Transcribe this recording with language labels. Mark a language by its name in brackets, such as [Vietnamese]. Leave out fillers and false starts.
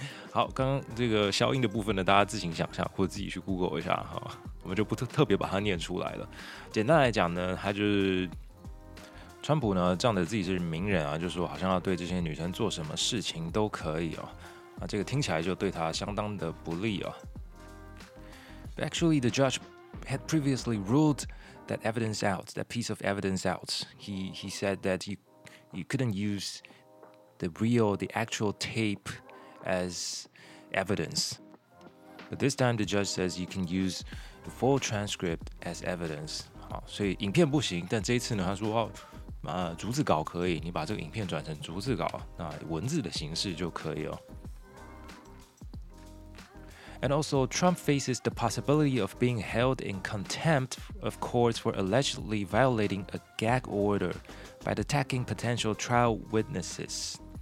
[Chinese] 好，刚刚这个消音的部分呢，大家自行想象或自己去 Google 一下哈，我们就不特别把它念出来了。简单来讲呢，他就是。川普呢，仗着自己是名人啊，就说好像要对这些女生做什么事情都可以哦，啊，这个听起来就对他相当的不利哦。 [English] Actually, the judge had previously ruled that evidence out, that piece of evidence out. He said that you couldn't use the actual tape as evidence. But this time, the judge says you can use the full transcript as evidence. [Chinese] 好，所以影片不行，但这一次呢，他说哦。逐字稿可以，你把这个影片转成逐字稿，那文字的形式就可以哦。 [English] And also, Trump faces the possibility of being held in contempt of court for allegedly violating a gag order by attacking potential trial witnesses.